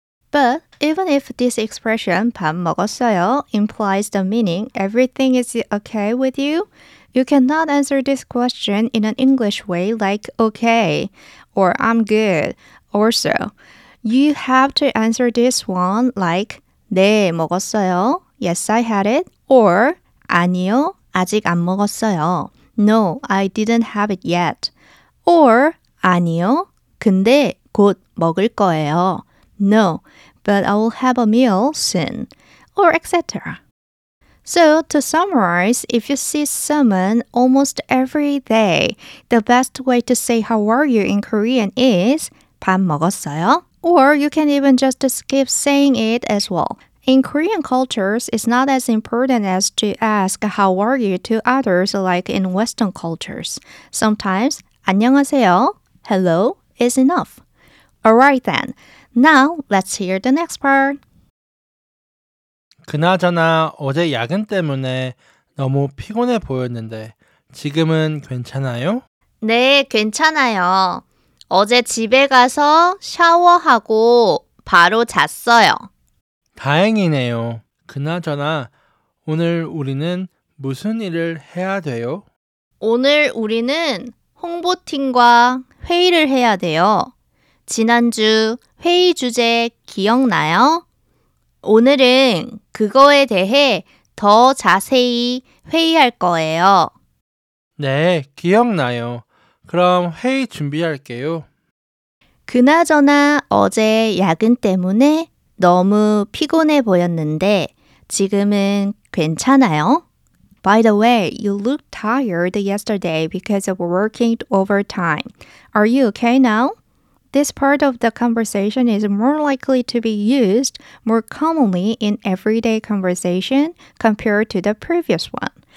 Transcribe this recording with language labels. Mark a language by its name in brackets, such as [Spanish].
[English] But even if this expression, [Korean] 밥 먹었어요, [English] implies the meaning, everything is okay with you, you cannot answer this question in an English way like okay, or I'm good, or so. You have to answer this one like [Korean] 네, 먹었어요. [English] Yes, I had it. [Korean] Or 아니요, 아직 안 먹었어요. [English] No, I didn't have it yet. [Korean] Or 아니요, 근데 곧 먹을 거예요. [English] No, but I will have a meal soon. Or etc. So, to summarize, if you see someone almost every day, the best way to say how are you in Korean is [Korean] 밥 먹었어요? [English] Or you can even just skip saying it as well. In Korean cultures, it's not as important as to ask how are you to others like in Western cultures. Sometimes, [Korean] 안녕하세요, [English] hello, is enough. Alright then, now let's hear the next part. [Korean] 그나저나 어제 야근 때문에 너무 피곤해 보였는데 지금은 괜찮아요? 네, 괜찮아요. 어제 집에 가서 샤워하고 바로 잤어요. 다행이네요. 그나저나 오늘 우리는 무슨 일을 해야 돼요? 오늘 우리는 홍보팀과 회의를 해야 돼요. 지난주 회의 주제 기억나요? 오늘은 그거에 대해 더 자세히 회의할 거예요. 네, 기억나요. 그럼 회의 준비할게요. 그나저나 어제 야근 때문에 너무 피곤해 보였는데 지금은 괜찮아요? [English] By the way, you looked tired yesterday because of working overtime. Are you okay now? This part of the conversation is more likely to be used more commonly in everyday conversation compared to the previous one.